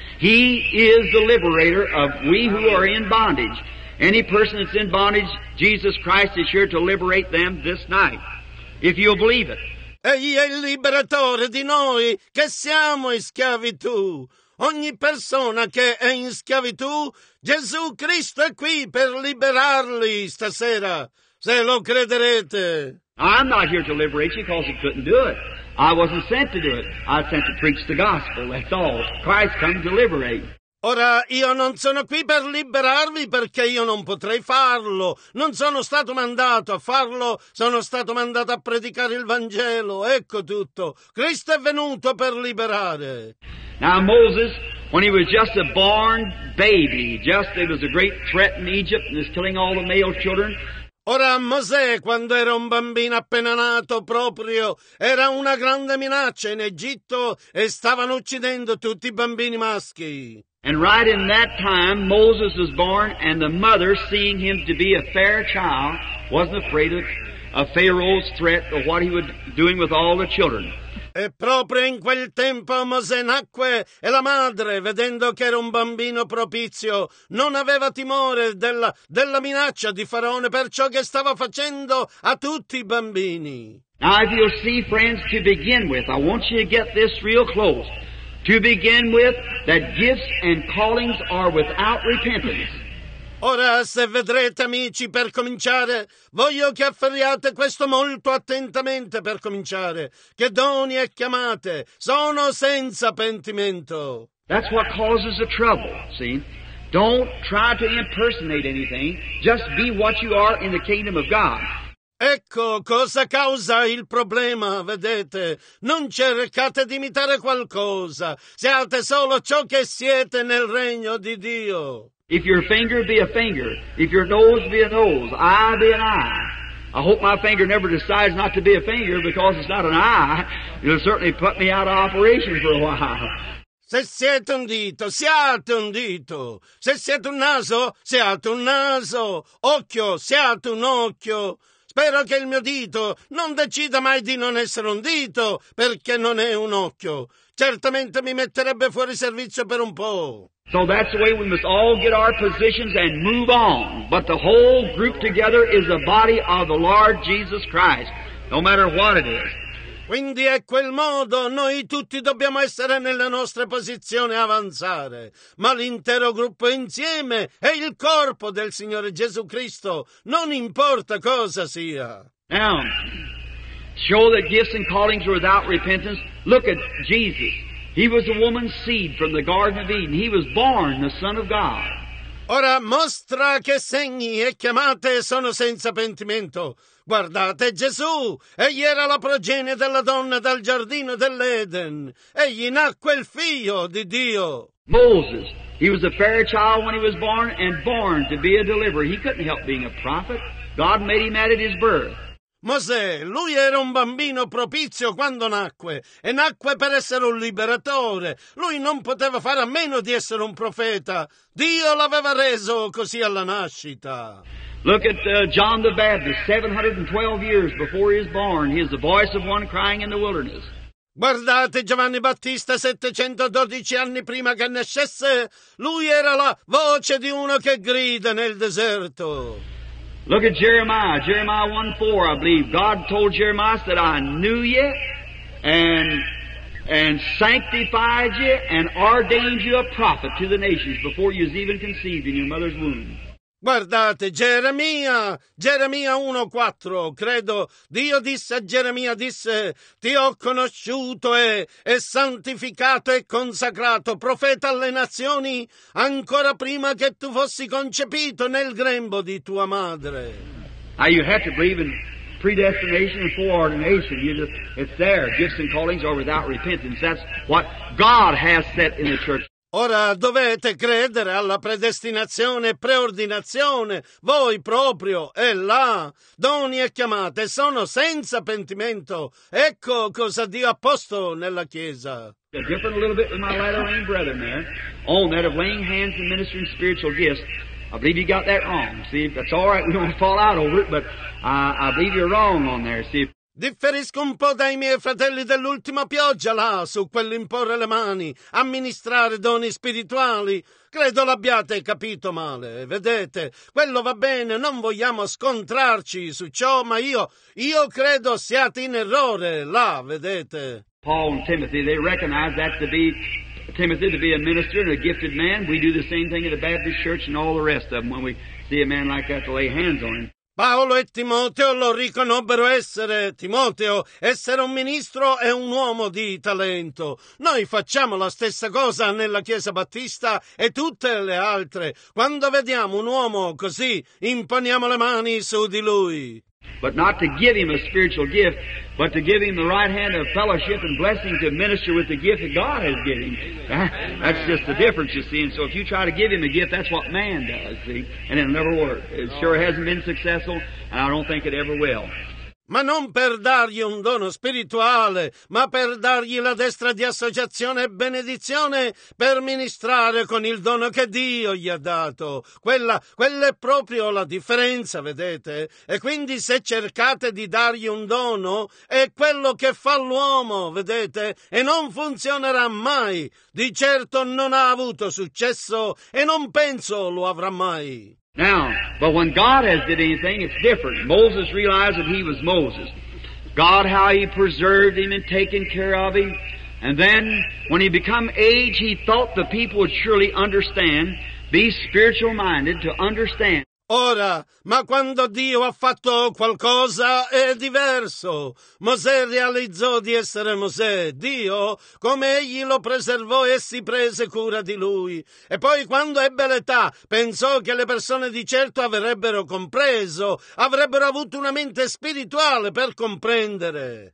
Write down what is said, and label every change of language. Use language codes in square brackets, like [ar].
[en] He is the liberator of we who are in bondage. Any person that's in bondage, Jesus Christ is here to liberate them this night. If you believe it. [it] Egli è il liberatore di noi che siamo in schiavitù. Ogni persona che è in schiavitù, Gesù Cristo è qui per liberarli stasera, se lo crederete. [en] I'm not here to liberate you because he couldn't do it. I wasn't sent to do it. I was sent to preach the gospel, that's all. Christ come to liberate. [it] Ora, io non sono qui per liberarvi perché io non potrei farlo. Non sono stato mandato a farlo, sono stato mandato a predicare il Vangelo. Ecco tutto. Cristo è venuto per liberare. [en] Now Moses, when he was just a born baby, just there was a great threat in Egypt and is killing all the male children. [it] Ora Mosè, quando era un bambino appena nato proprio, era una grande minaccia in Egitto e stavano uccidendo tutti i bambini maschi. [en] And right in that time, Moses was born, and the mother, seeing him to be a fair child, wasn't afraid of Pharaoh's threat or what he was doing with all the children. [it] E proprio in quel tempo Mosè nacque e la madre, vedendo che era un bambino propizio, non aveva timore della minaccia di Faraone per ciò che stava facendo a tutti i bambini. [en] Now, if you'll see, friends, to begin with, I want you to get this real close. To begin with, that gifts and callings are without repentance. [it] Ora, se vedrete, amici, per cominciare, voglio che afferriate questo molto attentamente per cominciare, che doni e chiamate sono senza pentimento. [en] That's what causes the trouble, see? Don't try to impersonate anything, just be what you are in the kingdom of God. [it] Ecco cosa causa il problema, vedete? Non cercate di imitare qualcosa, siate solo ciò che siete nel regno di Dio. [en] If your finger be a finger, if your nose be a nose, eye be an eye. I hope my finger never decides not to be a finger because it's not an eye. It'll certainly put me out of operation for a while. [it] Se siete un dito, siate un dito. Se siete un naso, siate un naso. Occhio, siate un occhio. Spero che il mio dito non decida mai di non essere un dito perché non è un occhio. Certamente mi metterebbe fuori servizio per un po'. [en] So that's the way we must all get our positions and move on. But the whole group together is the body of the Lord Jesus Christ, no matter what it is. [it] Quindi è quel modo, noi tutti dobbiamo essere nella nostra posizione avanzare. Ma l'intero gruppo insieme è il corpo del Signore Gesù Cristo, non importa cosa sia. [en] Now, show that gifts and callings are without repentance. Look at Jesus. He was a woman's seed from the Garden of Eden. He was born the Son of God. [it] Ora mostra che segni e chiamate sono senza pentimento. Guardate Gesù, egli era la progenie della donna dal giardino dell'Eden. Egli nacque il figlio di Dio. [en] Moses, he was a fair child when he was born and born to be a deliverer. He couldn't help being a prophet. God made him at his birth. [it] Mosè, lui era un bambino propizio quando nacque, e nacque per essere un liberatore. Lui non poteva fare a meno di essere un profeta. Dio l'aveva reso così alla nascita. [en] Look at John the Baptist, 712 years before he is born, he is the voice of one crying in the wilderness. [it] Guardate Giovanni Battista, 712 anni prima che nascesse, lui era la voce di uno che grida nel deserto. [en] Look at Jeremiah 1:4, I believe. God told Jeremiah, said, I knew you and sanctified you and ordained you a prophet to the nations before you was even conceived in your mother's womb. [it] Guardate, Geremia, Geremia 1:4, credo, Dio disse a Geremia, disse, ti ho conosciuto e santificato e consacrato, profeta alle nazioni, ancora prima che tu fossi concepito nel grembo di tua madre. [en] Now you have to believe in predestination and foreordination. You just, it's there, gifts and callings are without repentance. That's what God has set in the church. [it] Ora dovete credere alla predestinazione e preordinazione, voi proprio, e là, doni e chiamate, sono senza pentimento. Ecco cosa Dio ha posto nella Chiesa. [en] Different a little bit with my latter-rain brother there, on that of laying hands and ministering spiritual gifts. I believe you got that wrong. See, that's all right, we don't fall out over it, but I believe you're wrong on there, see. [it] Differisco un po' dai miei fratelli dell'ultima pioggia là, su quell'imporre le mani, amministrare doni spirituali. Credo l'abbiate capito male. Vedete, quello va bene, non vogliamo scontrarci su ciò, ma io credo siate in errore là, vedete. [en] Paul and Timothy, they recognize that to be Timothy to be a minister and a gifted man. We do the same thing at the Baptist church and all the rest of them when we see a man like that to lay hands on him. [it] Paolo e Timoteo lo riconobbero essere, Timoteo, essere un ministro e un uomo di talento. Noi facciamo la stessa cosa nella Chiesa Battista e tutte le altre. Quando vediamo un uomo così, imponiamo le mani su di lui. [en] But not to give him a spiritual gift, but to give him the right hand of fellowship and blessing to minister with the gift that God has given him. That's just the difference, you see. And so if you try to give him a gift, that's what man does, see. And it'll never work. It sure hasn't been successful, and I don't think it ever will. [it] Ma non per dargli un dono spirituale, ma per dargli la destra di associazione e benedizione per ministrare con il dono che Dio gli ha dato. Quella è proprio la differenza, vedete? E quindi se cercate di dargli un dono, è quello che fa l'uomo, vedete? E non funzionerà mai. Di certo non ha avuto successo e non penso lo avrà mai. [en] Now, but when God has did anything, it's different. Moses realized that he was Moses. God, how he preserved him and taken care of him. And then, when he become age, he thought the people would surely understand, be spiritual minded to understand. [it] Ora, ma quando Dio ha fatto qualcosa è diverso. Mosè realizzò di essere Mosè. Dio, come egli lo preservò e si prese cura di lui. E poi quando ebbe l'età, pensò che le persone di certo avrebbero compreso, avrebbero avuto una mente spirituale per comprendere.